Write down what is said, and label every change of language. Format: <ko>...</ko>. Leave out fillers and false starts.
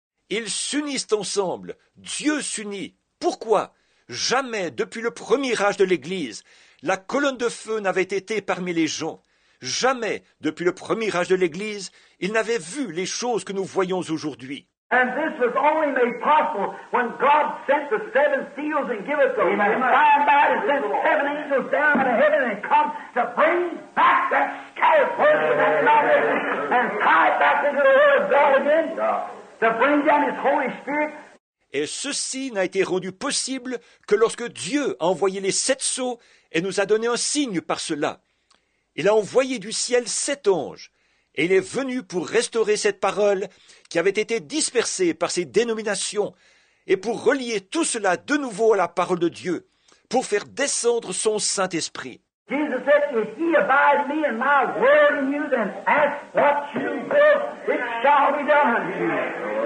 <fr>Ils s'unissent ensemble. Dieu s'unit. Pourquoi? Jamais, depuis le premier âge de l'Église, la colonne de feu n'avait été parmi les gens. Jamais, depuis le premier âge de l'Église, ils n'avaient vu les choses que nous voyons aujourd'hui.</fr> <en>And this was only made possible when God sent the seven seals and gave us the Amen. By and by to send seven angels down to heaven and come to bring back that scattered person of that salvation and tie it back into the Word of God again, to bring down His Holy Spirit.</en> <fr>Et ceci n'a été rendu possible que lorsque Dieu a envoyé les sept sceaux et nous a donné un signe par cela. Il a envoyé du ciel sept anges, et il est venu pour restaurer cette parole qui avait été dispersée par ces dénominations, et pour relier tout cela de nouveau à la parole de Dieu, pour faire descendre son Saint-Esprit.</fr> <en>Jesus said, if ye abide me and my word in you, then ask what you will, it shall be done unto you.</en>